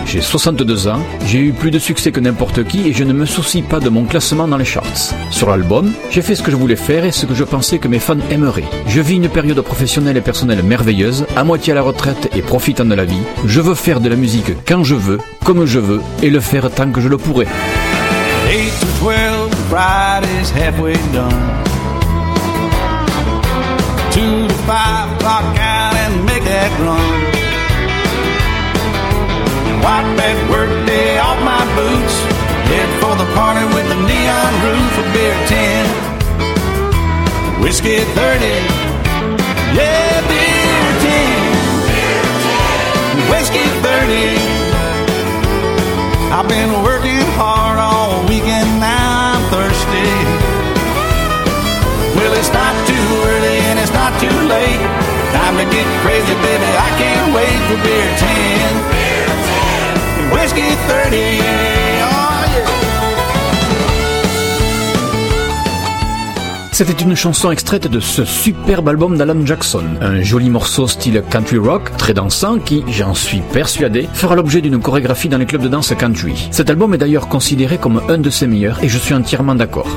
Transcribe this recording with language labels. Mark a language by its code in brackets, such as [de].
[fr] J'ai 62 ans, j'ai eu plus de succès que n'importe qui et je ne me soucie pas de mon classement dans les charts. » Sur l'album, j'ai fait ce que je voulais faire et ce que je pensais que mes fans aimeraient. Je vis une période professionnelle et personnelle merveilleuse, à moitié à la retraite et profitant de la vie. Je veux faire de la musique quand je veux, comme je veux, et le faire tant que je le pourrai. [en] 8 to 12, the ride is halfway done. 2 to 5, lock out and make that run. Wipe that work day off my boots. Head for the party with the neon roof, a beer 10, whiskey 30, yeah, beer 10, whiskey 30. I've been working hard all weekend, now I'm thirsty. Well, it's not too early and it's not too late. Time to get crazy, baby, I can't wait for beer 10, whiskey 30. [fr] C'était une chanson extraite de ce superbe album d'Alan Jackson. Un joli morceau style country rock, très dansant, qui, j'en suis persuadé, fera l'objet d'une chorégraphie dans les clubs de danse country. Cet album est d'ailleurs considéré comme un de ses meilleurs, et je suis entièrement d'accord.